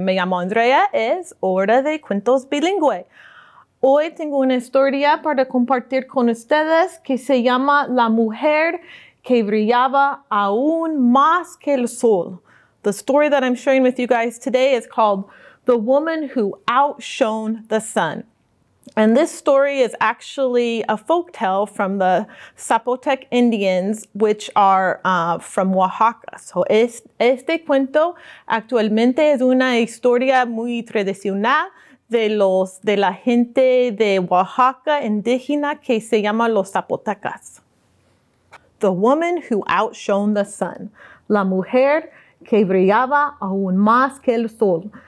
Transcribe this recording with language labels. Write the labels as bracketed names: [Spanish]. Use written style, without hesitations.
[Spanish] Me llamo Andrea, es hora de cuentos bilingüe. Hoy tengo una historia para compartir con ustedes que se llama La Mujer que brillaba aún más que el sol. [English] The story that I'm sharing with you guys today is called The Woman Who Outshone the Sun. And this story is actually a folktale from the Zapotec Indians, which are from Oaxaca. [Spanish] So este cuento actualmente es una historia muy tradicional de la gente de Oaxaca indígena que se llama los Zapotecas. The Woman Who Outshone the Sun. La Mujer que brillaba aún más que el sol.